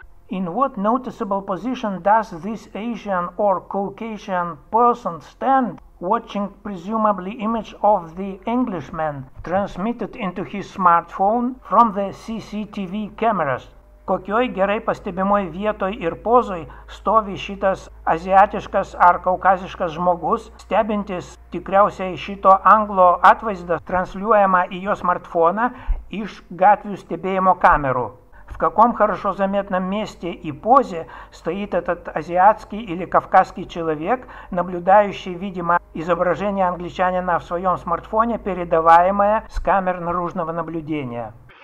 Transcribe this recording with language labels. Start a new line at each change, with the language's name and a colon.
English: In what noticeable position does this Asian or Caucasian person stand, watching presumably image of the Englishman transmitted into his smartphone from the CCTV cameras?
Lithuanian: Kokioj gerai pastebimoj vietoj ir pozoj stovi šitas azijatiškas ar kaukaziškas žmogus, stebintis tikriausiai šito anglo atvaizdą transliuojama į jo smartfoną iš gatvių stebėjimo kamerų.
Russian: В каком хорошо заметном месте и позе стоит этот азиатский или кавказский человек, наблюдающий, видимо, изображение англичанина в своем смартфоне, передаваемое с камер наружного наблюдения.